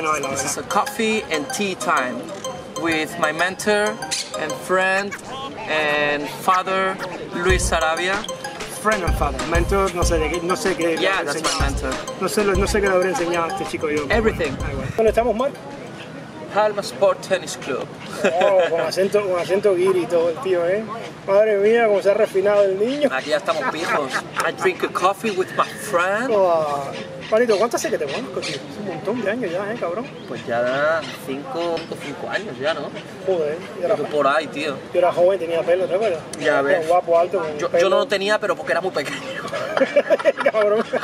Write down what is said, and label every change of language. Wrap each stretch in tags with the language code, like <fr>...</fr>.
<en>This is a coffee and tea time with my mentor and friend and father, Luis Sarabia. Friend and father, mentor,</en> <es>no sé qué.</es> <en>Yeah, that's my mentor.</en> <es>No sé qué le habré enseñado a este chico yo.</es> <en>Everything.</en> <es>¿Dónde estamos, Mark? Palma Sport Tennis Club. Oh, con acento guiri todo el tío, ¿eh? Madre mía, cómo se ha refinado el niño. Aquí ya estamos pijos.</es> <en>I drink a coffee with my friend. Oh.</en> <es>Marito, ¿cuánto hace que te conozco, tío? Es un montón de años ya, ¿eh, cabrón? Pues ya da 5 años ya, ¿no? Joder. Y tú por ahí, tío. Yo era joven, tenía pelo, ¿te acuerdas? Ya ves. Guapo, alto. Yo no lo tenía, pero porque era muy pequeño. Cabrón.</es>